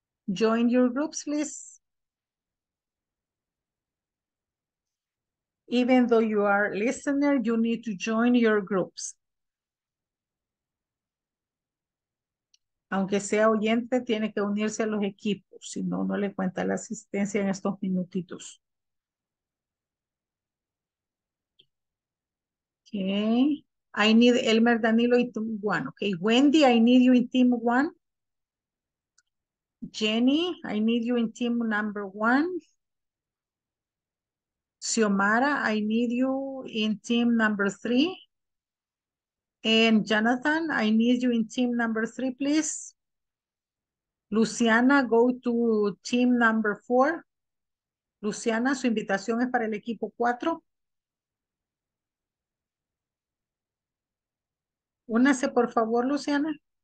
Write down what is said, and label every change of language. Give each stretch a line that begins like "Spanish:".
English: Join your groups, please. Even though you are a listener, you need to join your groups.
Spanish: Aunque sea oyente, tiene que unirse a los equipos, si no, no le cuenta la asistencia en estos minutitos.
English: Okay. I need Elmer, Danilo, y Team One. Okay. Wendy, I need you in Team One. Jenny, I need you in Team Number One. Xiomara, I need you in Team Number Three. And Jonathan, I need you in Team Number Three, please.
Spanish: Luciana,
English: go to Team Number Four.
Spanish: Luciana, su invitación es para el equipo 4. Únase, por favor, Luciana.